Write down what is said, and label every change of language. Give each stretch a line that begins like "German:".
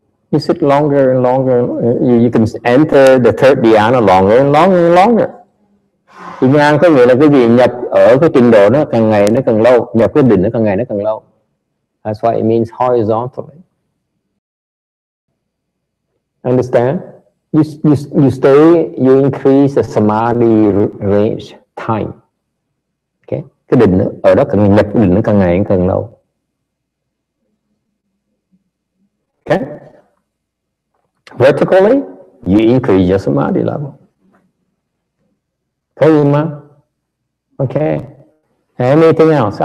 English: You sit longer and longer, you can enter the third dhyana longer and longer and longer.
Vietnamese: Đi ngang có nghĩa là cái gì nhập ở cái trình độ nó càng ngày nó càng lâu, nhập cái đỉnh nó càng ngày nó càng lâu.
English: That's why it means horizontally. Understand? You stay, you increase the samadhi range time. Okay?
Vietnamese: Cái đỉnh nó, ở đó càng ngày nhập cái đỉnh nó càng ngày nó càng lâu.
English: Okay? Vertically, you increase your samadhi level.
Vietnamese: Có gì mà? Ok.
English: Anything else?